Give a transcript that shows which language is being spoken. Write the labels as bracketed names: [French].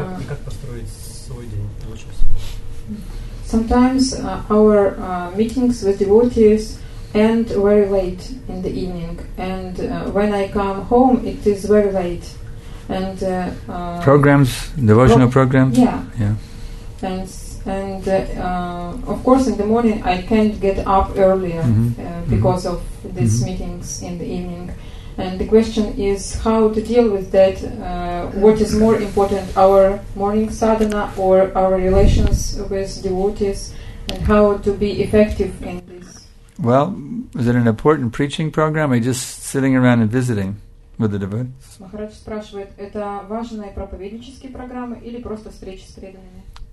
[Russian] И как построить свой день лучше всего? [English] Sometimes our meetings with devotees end very late in the evening, and when I come home, it is very late. And programs, devotional programs. Yeah. And of course, in the morning I can't get up earlier because of these meetings in the evening. And the question is how to deal with that. What is more important, our morning sadhana or our relations with devotees, and how to be effective in this? Well, is it an important preaching program or just sitting around and visiting with the devotees? [Russian] Maharaj спрашивает, это важные проповеднические программы или просто встречи с преданными?